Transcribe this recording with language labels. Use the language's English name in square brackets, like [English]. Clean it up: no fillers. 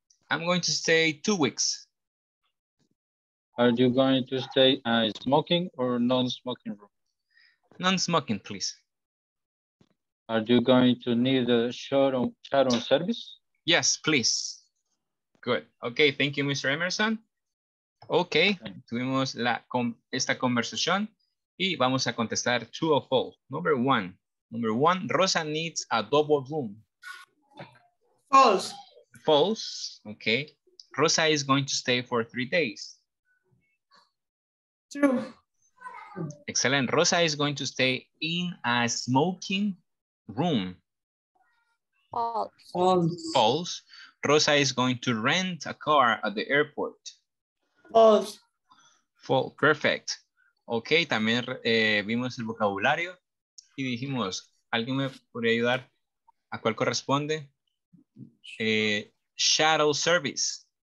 [English] I'm going to stay 2 weeks. Are you going to stay in smoking or non-smoking room? Non-smoking, please. Are you going to need a shuttle service? Yes, please. Good. Okay, thank you, Mr. Emerson. [Spanish] Okay, tuvimos esta conversación y vamos a contestar [English] true or false. Number one, Rosa needs a double room. False, okay. Rosa is going to stay for 3 days. True. Excellent. Rosa is going to stay in a smoking room. False. Rosa is going to rent a car at the airport. False. Perfect. [Spanish] Okay, también vimos el vocabulario y dijimos, ¿alguien me podría ayudar? ¿A cuál corresponde? [English] Shuttle service.